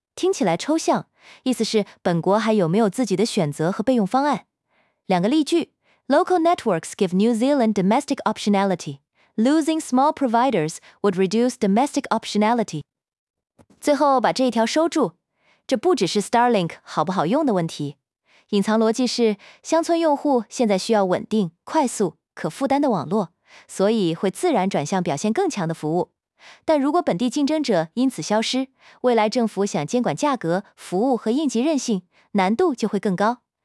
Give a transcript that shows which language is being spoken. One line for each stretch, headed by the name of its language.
Chinese: 听起来抽象，意思是本国还有没有自己的选择和备用方案。两个例句，
English: Local networks give New Zealand domestic optionality. Losing small providers would reduce domestic optionality.
Chinese: 最后把这一条收住。这不只是 Starlink 好不好用的问题。隐藏逻辑是，乡村用户现在需要稳定、快速、可负担的网络，所以会自然转向表现更强的服务。但如果本地竞争者因此消失，未来政府想监管价格、服务和应急韧性，难度就会更高。